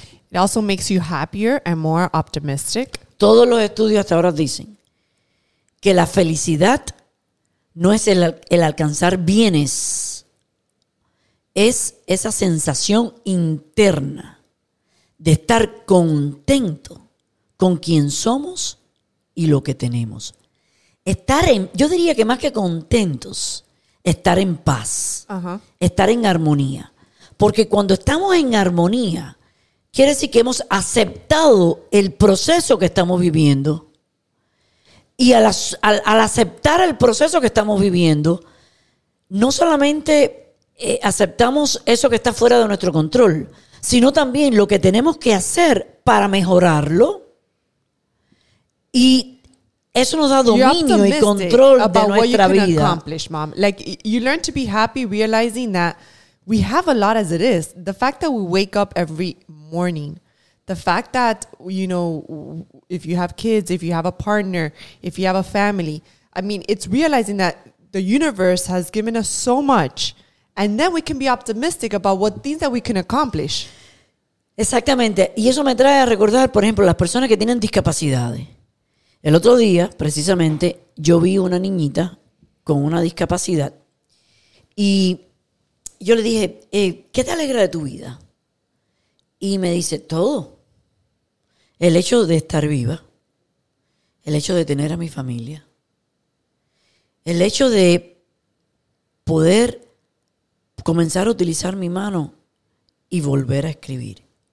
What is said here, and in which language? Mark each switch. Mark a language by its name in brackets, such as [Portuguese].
[English] It also makes you happier and more optimistic. [Spanish] Todos los estudios hasta ahora dicen que la felicidad no es el alcanzar bienes, es esa sensación interna de estar contento con quien somos y lo que tenemos. Estar en, yo diría que más que contentos, estar en paz, uh-huh. Estar en armonía. Porque cuando estamos en armonía, quiere decir que hemos aceptado el proceso que estamos viviendo. Y al aceptar el proceso que estamos viviendo, no solamente aceptamos eso que está fuera de nuestro control, sino también lo que tenemos que hacer para mejorarlo. Y eso nos da dominio y control de nuestra vida. [English] Like, you learn to be happy realizing that we have a lot as it is. The fact that we wake up every morning, the fact that, you know, if you have kids, if you have a partner, if you have a family, I mean, it's realizing that the universe has given us so much, and then we can be optimistic about what things that we can accomplish. [Spanish] Exactamente. Y eso me trae a recordar, por ejemplo, las personas que tienen discapacidades. El otro día, precisamente, yo vi una niñita con una discapacidad y yo le dije, ¿qué te alegra de tu vida? Y me dice, todo. El hecho de estar viva, el hecho de tener a mi familia, el hecho de poder comenzar a utilizar mi mano y volver a escribir.